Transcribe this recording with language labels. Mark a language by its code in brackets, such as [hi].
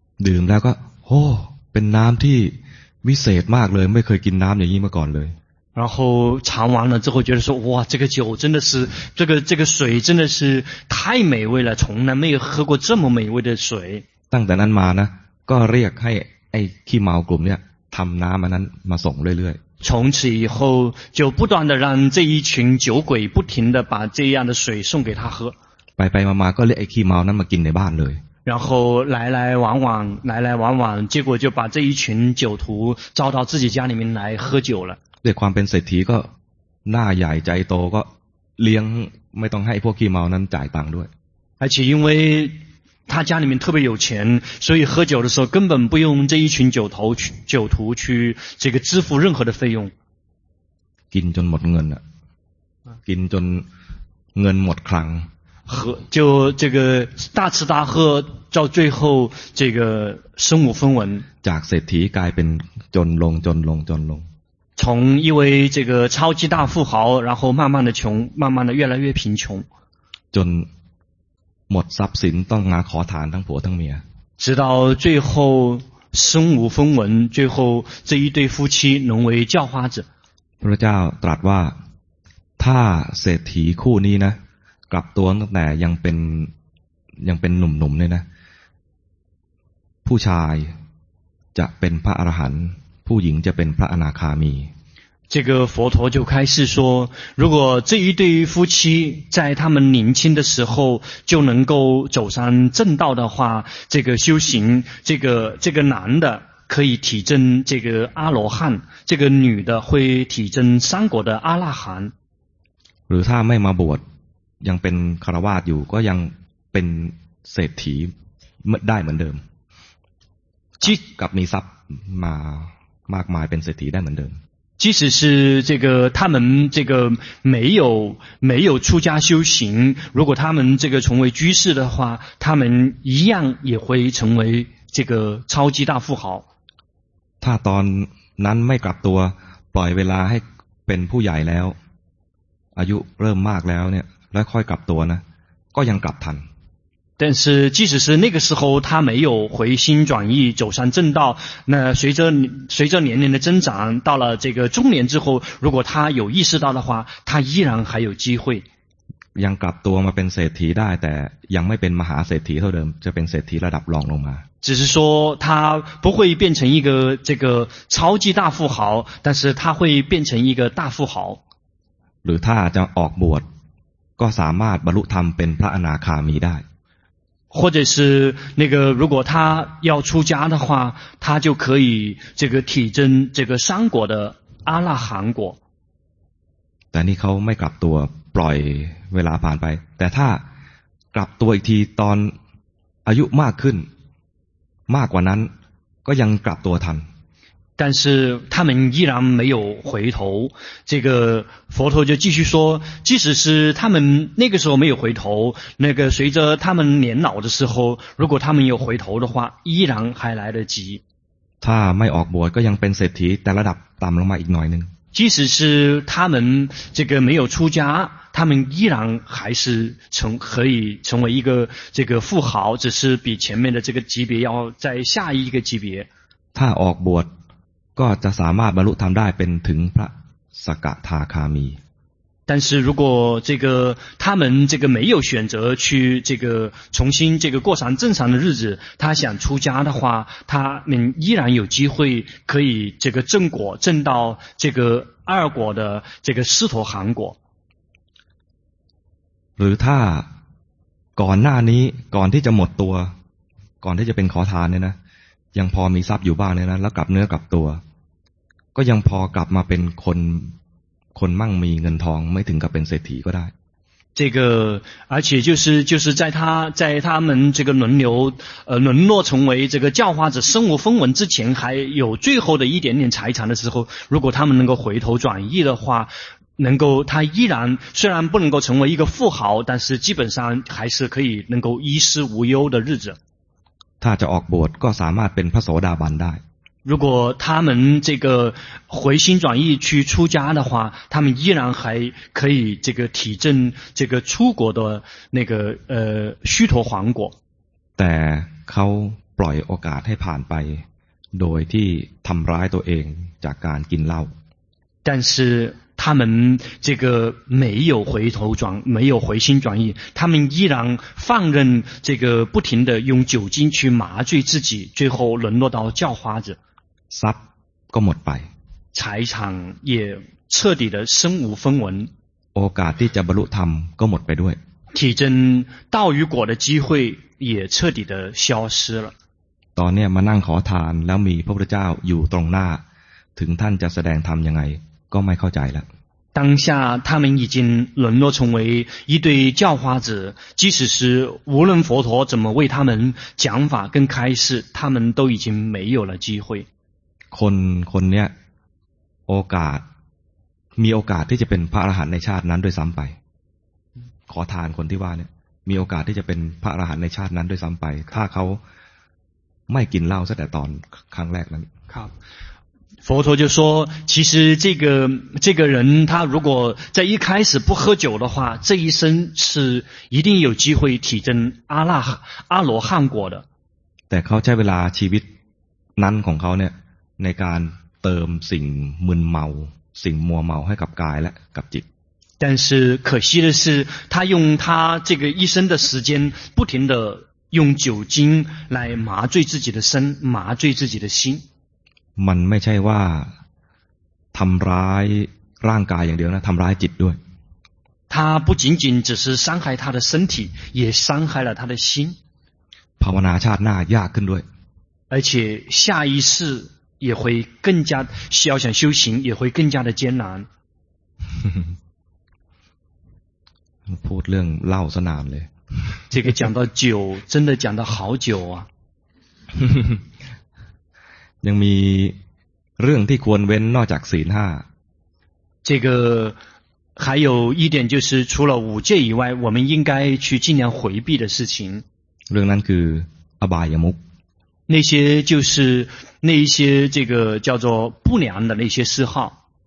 [th] ดื่มแล้วก็โอ้เป็นน้ำที่วิเศษมากเลยไม่เคยกินน้ำอย่างนี้มาก่อนเลย [zh] 然后尝完了之后觉得说哇这个酒真的是这个水真的是太美味了从来没有喝过这么美味的水 [th] ตั้งแต่นั้นมานะก็เรียกให้ไอ้ขี้เมากลุ่มเนี้ยทำน้ำอันนั้นมาส่งเรื่อยๆ [zh] 从此以后就不断的让这一群酒鬼不停的把这样的水送给他喝 [th] ไปไปมามาก็เรียกไอ้ขี้เมานั้นมากินในบ้านเลย [zh] 然后来来往往结果就把这一群酒徒招到自己家里面来喝酒了 [th] ด้วยความเป็นเศรษฐีก็หน้าใหญ่ใจโตก็เลี้ยงไม่ต้องให้พวกขี้เมานั้นจ่ายตังค์ด้วย [zh] 而且因为他家里面特别有钱所以喝酒的时候根本不用这一群酒徒去这个支付任何的费用 [th] กินจนหมดเงินกินจนเงินหมดคลัง [zh] 和就这个大吃大喝到最后这个身无分文 [th] จากเศรษฐีกลายเป็นจนลง [zh] 从一位这个超级大富豪，然后慢慢的穷，慢慢的越来越贫穷。 [th] จนหมดทรัพย์สินต้องมาขอทานทั้งผัวทั้งเมีย。 [zh] 直到最后身无分文，最后这一对夫妻沦为叫花子。 [th] พระเจ้าตรัสว่าถ้าเศรษฐีคู่นี้นะกลับตัวตั้งแต่ยังเป็นหนุ่มๆเลยนะผู้ชายจะเป็นพระอรหันต์ผู้หญิงจะเป็นพระอนาคามี [zh] 这个佛陀就开始说如果这一对夫妻在他们年轻的时候就能够走上正道的话这个修行这个男的可以体证这个阿罗汉这个女的会体证三国的阿拉汗 [th] หรือถ้าไม่มาบวชยังเป็นคารวาสอยู่ก็ยังเป็นเศรษฐีได้เหมือนเดิมกับมีทรัพย์มามากมายเป็นเศรษฐีได้เหมือนเดิม [zh] 即使是这个他们这个没有出家修行如果他们这个成为居士的话他们一样也会成为这个超级大富豪 [th] ถ้าตอนนั้นไม่กลับตัวปล่อยเวลาให้เป็นผู้ใหญ่แล้วอายุเริ่มมากแล้วเนี่ยแล้วค่อยกลับตัวนะก็ยังกลับทัน [zh] 但是即使是那个时候他没有回心转意走上正道那随着年龄的增长到了这个中年之后如果他有意识到的话他依然还有机会 [th] ยังกลับตัวมาเป็นเศรษฐีได้แต่ยังไม่เป็นมหาเศรษฐีเท่าเดิมจะเป็นเศรษฐีระดับรองลงมา [zh] 只是说他不会变成一个这个超级大富豪但是他会变成一个大富豪 [th] หรือถ้าจะออกบวชก็สามารถบรรลุธรรมเป็นพระอนาคามีได้ [zh] 或者是那个如果他要出家的话他就可以这个体证这个三果的阿拉含果 [th] แต่นี่เขาไม่กลับตัวปล่อยเวลาผ่านไปแต่ถ้ากลับตัวอีกทีตอนอายุมากขึ้นมากกว่านั้นก็ยังกลับตัวทัน แต่ [zh] 是他们依然没有回头这个佛陀就继续说即使是他们那个时候没有回头那个随着他们年老的时候如果他们有回头的话依然还来得及 [th] ถ้าไม่ออกบวชก็ยังเป็นเศรษฐีแต่ระดับต่ำลงมาอีกหน่อยนึง [zh] 即使是他们这个没有出家他们依然还是可以成为一个这个富豪只是比前面的这个级别要再下一个级别 [th] ถ้าออกบวชก็จะสามารถบรรลุธรรมได้เป็นถึงพระสกทาคามี [zh] 但是如果这个他们这个没有选择去这个重新这个过上正常的日子他想出家的话他们依然有机会可以这个正果正到这个二果的这个斯陀含果 [th] หรือถ้าก่อนหน้านี้ก่อนที่จะหมดตัวก่อนที่จะเป็นขอทานเนี่ยนะยังพอมีทรัพย์อยู่บ้างเนี่ยนะแล้วกลับเนื้อกลับตัวก็ยังพอกลับมาเป็นคนมั่งมีเงินทองไม่ถึงกับเป็นเศรษฐีก็ได้ [zh] 这个而且就是在他们这个沦落成为这个教化者身无分文之前还有最后的一点点财产的时候如果他们能够回头转意的话能够他依然虽然不能够成为一个富豪但是基本上还是可以能够衣食无忧的日子他 [th] จะออกบวชก็สามารถเป็นพระโสดาบันได้ [zh] 如果他们这个回心转意去出家的话他们依然还可以这个体证这个出国的那个须陀洹果 [th] แต่เขาปล่อยโอกาสให้ผ่านไปโดยที่ทำร้ายตัวเองจากการกินเหล้า [zh] 但是他们这个没有回心转意他们依然放任这个不停的用酒精去麻醉自己最后沦落到叫花子 [th] ทรัพย์ก็หมดไป [zh] 财产也彻底的身无分文 [th] โอกาสที่จะบรรลุธรรมก็หมดไปด้วย [zh] 体证道与果的机会也彻底的消失了 [th] ตอนนี้มานั่งขอทานแล้วมีพระพุทธเจ้าอยู่ตรงหน้าถึงท่านจะแสดงธรรมยังไงก็ไม่เข้าใจแล้ว [zh] 当下他们已经沦落成为一对叫花子即使是无论佛陀怎么为他们讲法跟开示他们都已经没有了机会 [th] คนเนี้ยโอกาสมีโอกาสที่จะเป็นพระอรหันต์ในชาตินั้นด้วยซ้ำไปขอทานคนที่ว่าเนี่ยมีโอกาสที่จะเป็นพระอรหันต์ในชาตินั้นด้วยซ้ำไปถ้าเขาไม่กินเหล้าตั้งแต่ตอนครั้งแรกนั้น ครับ [zh] 佛陀就说，其实这个人他如果在一开始不喝酒的话，这一生是一定有机会体证阿罗汉果的。 [th] แต่เขาใช้เวลาชีวิตนั้นของเขาเนี่ยในการเติมสิ่งมึนเมาสิ่งมัวเมาให้กับกายและกับจิต [zh] 但是可惜的是他用他这个一生的时间不停地用酒精来麻醉自己的身麻醉自己的心 [th] มันไม่ใช่ว่าทำร้ายร่างกายอย่างเดียวนะทำร้ายจิตด้วย [zh] 他不仅仅只是伤害他的身体也伤害了他的心 [th] ภาวนาชาติหน้ายากขึ้นด้วย [zh] 而且下一世也会更加需要想修行也会更加的艰难 [th] พูดเรื่องเล่าสนานเลย [zh] 这个讲到酒真的讲到好久啊 [th] ยังมีเรื่องที่ควรเว้นนอกจากศีล5 [zh] 这个还有一点就是除了五戒以外我们应该去尽量回避的事情 [th] เรื่องนั้นคืออบายมุข [zh] 那些就是那一些这个叫做不良的那些嗜好